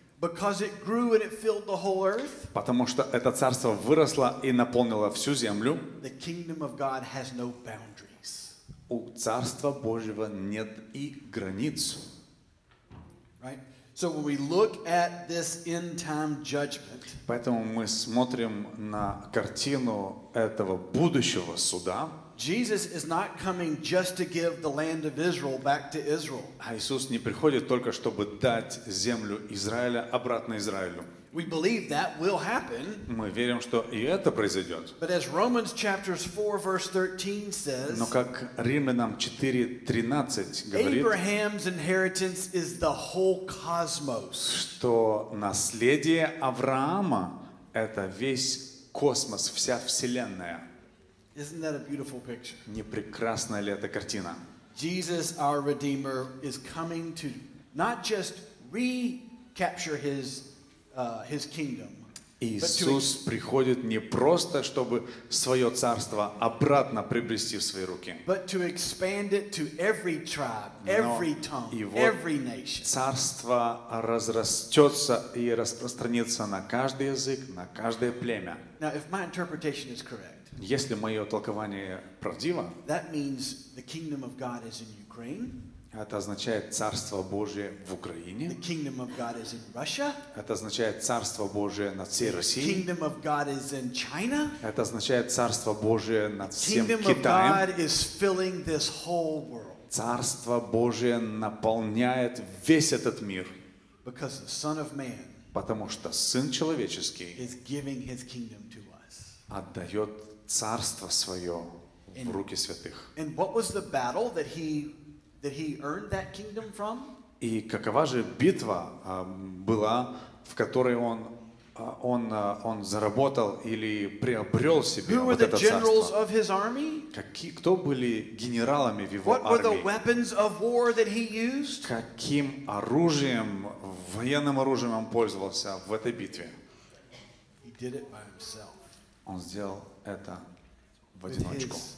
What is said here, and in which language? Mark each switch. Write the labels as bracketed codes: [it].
[en] Because it grew and it filled the whole earth. [ru] Потому что это царство выросло и наполнило всю землю. [en] The kingdom of God has no boundaries. [ru] У царства Божьего нет и границ. [en] Right. So when we look at this end time judgment. [ru] Поэтому мы смотрим на картину этого будущего суда. [en] Jesus is not coming just to give the land of Israel back to Israel. [ru] А Иисус не приходит только чтобы дать землю Израиля обратно Израилю. [en] We believe that will happen. [ru] Мы верим, что и это произойдет. [en] But as Romans chapters 4 verse 13 says. [ru] Но как Римлянам 4:13 говорит. [en] Abraham's inheritance is the whole cosmos. [ru] Что наследие Авраама это весь космос, вся вселенная. [en] Isn't that a beautiful picture? [ru] Не прекрасна ли эта картина? [en] Jesus, our Redeemer, is coming to not just recapture his kingdom. [ru] Иисус приходит не просто, чтобы свое царство обратно приобрести в свои руки. [en] But to expand it to every tribe, every tongue, every nation. [ru] Царство разрастется и распространится на каждый язык, на каждое племя. [en] Now, if my interpretation is correct. [ru] Если мое толкование правдиво, [en] that means the kingdom of God is in Ukraine. [ru] Это означает царство Божие в Украине. [en] The kingdom of God is in Russia. [ru] Это означает царство Божие над всей Россией. [en] The kingdom of God is in China. [ru] Это означает царство Божие над [en] the [ru] всем [en] kingdom [ru] Китаем. [en] Of God is filling this whole world. [ru] Царство Божие наполняет весь этот мир. [en] Because the Son of Man [ru] потому что Сын Человеческий [en] is giving his kingdom to us. [ru] Отдает царство свое в руки святых. [en] And what was the battle that he earned that kingdom from? [ru] И какова же битва была, в которой он заработал или приобрел себе вот это царство? Кто были генералами в его армии? [en] What were the weapons of war that he used? [ru] Каким оружием, военным оружием он пользовался в этой битве? [en] He did it by himself. [ru] Он сделал это в одиночку.